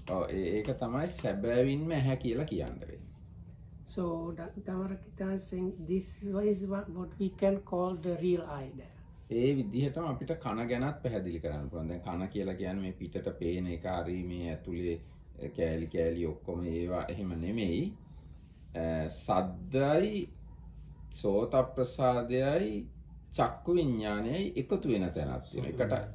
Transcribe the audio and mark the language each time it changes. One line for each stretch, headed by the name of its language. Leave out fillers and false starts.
Sinhala: Oh, ඒක තමයි සැබෑවින්ම ඇහැ කියලා කියන්න වෙන්නේ.
English: So Dhammara Kitana saying this is what we can call the real eye there.
Sinhala: ඒ විදිහටම අපිට කන ගැනත් පැහැදිලි කරන්න පුළුවන්. දැන් කන කියලා කියන්නේ මේ පිටට පේන එක හරි මේ ඇතුලේ කෑලි ඔක්කොම ඒවා එහෙම නෙමෙයි. සද්දයි සෝත ප්‍රසාදයයි චක්කු විඥානයයි එකතු වෙන තැනක් තියෙනවා.